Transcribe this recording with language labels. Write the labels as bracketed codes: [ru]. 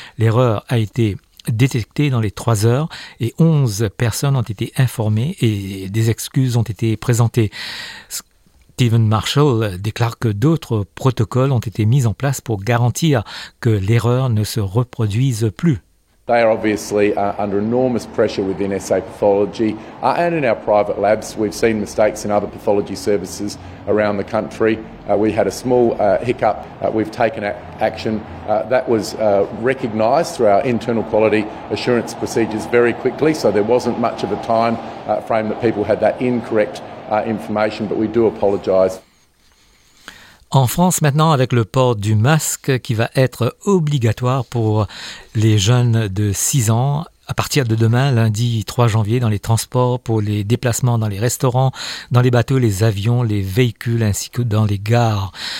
[fr] L'erreur a été détecté dans les 3 heures et 11 personnes ont été informées et des excuses ont été présentées. Stephen Marshall déclare que d'autres protocoles ont été mis en place pour garantir que l'erreur ne se reproduise plus. [en] They are obviously under enormous pressure within SA Pathology and in our private labs. We've seen mistakes in other pathology services around the country. We had a small hiccup. We've taken action. That was recognised through our internal quality assurance procedures very quickly, so there wasn't much of a time frame that people had that incorrect information, but we do apologise. [fr] En France maintenant, avec le port du masque qui va être obligatoire pour les jeunes de 6 ans à partir de demain, lundi 3 janvier, dans les transports, pour les déplacements dans les restaurants, dans les bateaux, les avions, les véhicules ainsi que dans les gares.